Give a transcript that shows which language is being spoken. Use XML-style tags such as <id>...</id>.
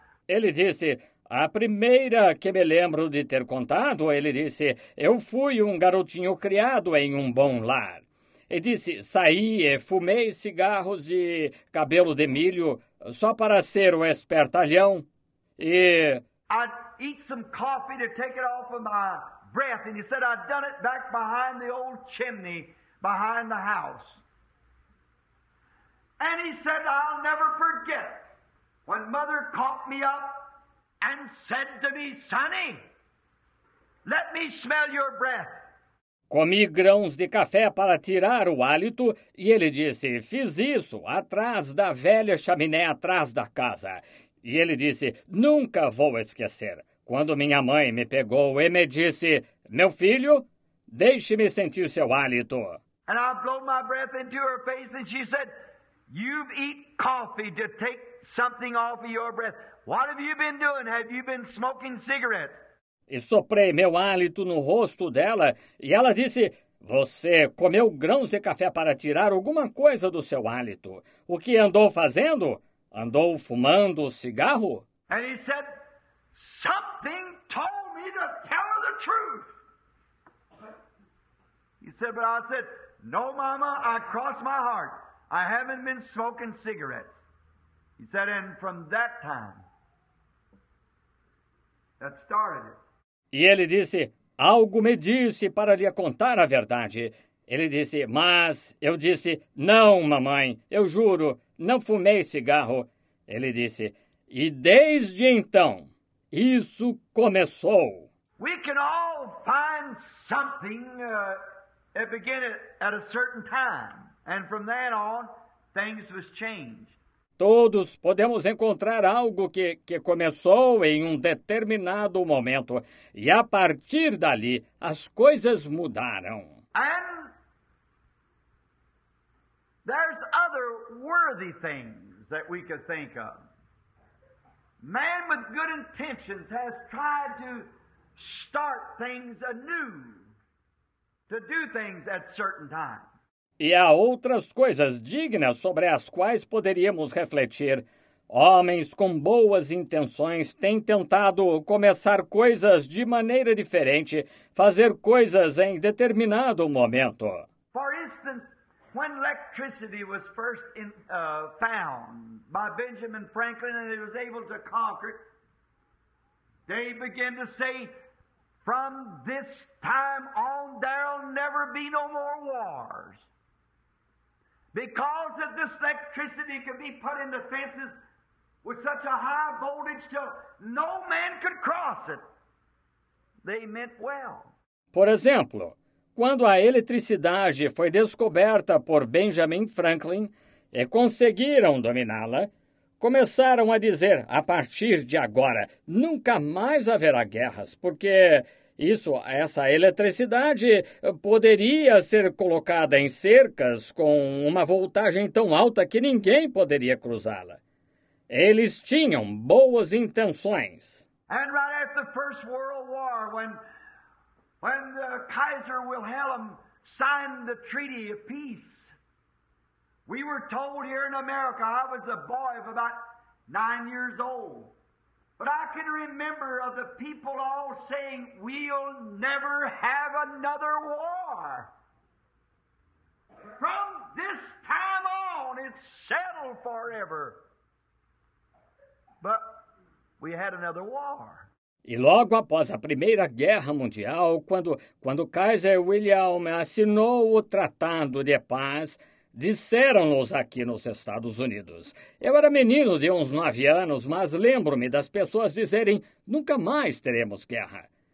<pt>ele disse, A primeira que me lembro de ter contado, ele disse, eu fui um garotinho criado em um bom lar. E disse, saí e fumei cigarros e cabelo de milho só para ser o espertalhão. E...</pt> <en>I'd eat some coffee to take it off of my breath. And he said I'd done it back behind the old chimney behind the house. And he said I'll never forget when mother caught me up and said to me, Sonny, let me smell your breath.</en> <pt>Comi grãos de café para tirar o hálito e ele disse, fiz isso atrás da velha chaminé atrás da casa. E ele disse, nunca vou esquecer. Quando minha mãe me pegou e me disse, meu filho, deixe-me sentir seu hálito.</pt> <en>And I blew my breath into her face and she said, you've eaten coffee to take something off of your breath. What have you been doing? Have you been smoking cigarettes?</en> <pt>E soprei meu hálito no rosto dela e ela disse, você comeu grãos de café para tirar alguma coisa do seu hálito. O que andou fazendo? Andou fumando cigarro?</pt> <en>And he said, something told me to tell her the truth. He said, but I said, no, mama, I crossed my heart. I haven't been smoking cigarettes. He said, and from that time, that started it.</en> <pt>E ele disse, algo me disse para lhe contar a verdade. Ele disse, mas eu disse, não, mamãe, eu juro, não fumei cigarro. Ele disse, e desde então, isso começou.</pt> <en>We can all find something at beginning at a certain time. And from then on, things was changed.</en> <pt>Todos podemos encontrar algo que começou em um determinado momento. E a partir dali, as coisas mudaram.</pt> <en>And there's other worthy things that we could think of. Man with good intentions has tried to start things anew, to do things at certain times.</en> <pt>E há outras coisas dignas sobre as quais poderíamos refletir. Homens com boas intenções têm tentado começar coisas de maneira diferente, fazer coisas em determinado momento.</pt> <en>For instance, when electricity was first found by Benjamin Franklin and it was able to conquer it, they began to say, from this time on there'll never be no more wars. Because of this electricity could be put into fences with such a high voltage till no man could cross it. They meant well.</en> <pt>Por exemplo, quando a eletricidade foi descoberta por Benjamin Franklin e conseguiram dominá-la, começaram a dizer, a partir de agora, nunca mais haverá guerras, porque isso, essa eletricidade poderia ser colocada em cercas com uma voltagem tão alta que ninguém poderia cruzá-la. Eles tinham boas intenções.</pt> <en>And right at the First World War, when the Kaiser Wilhelm signed the Treaty of Peace, we were told here in America, I was a boy of about 9 years old. But I can remember of the people all saying, we'll never have another war. From this time on, it's settled forever. But we had another war.</en> <pt>E logo após a Primeira Guerra Mundial, quando Kaiser Wilhelm assinou o Tratado de Paz, disseram-nos aqui nos Estados Unidos. Eu era menino de uns 9 anos, mas lembro-me das pessoas dizerem nunca mais teremos guerra.</pt>